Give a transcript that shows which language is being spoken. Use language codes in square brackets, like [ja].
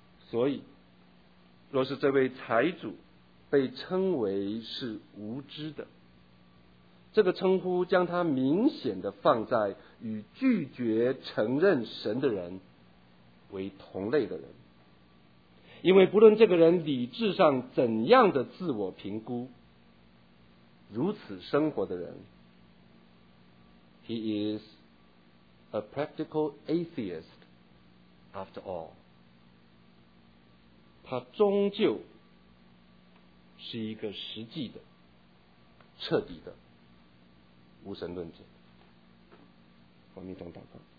[zh] 所以若是这位财主被称为是无知的，这个称呼将他明显的放在与拒绝承认神的人为同类的人。因为不论这个人理智上怎样的自我评估，如此生活的人 [en] He is a practical atheist after all， [zh] 他终究是一个实际的彻底的无神论者。我们一同祷告。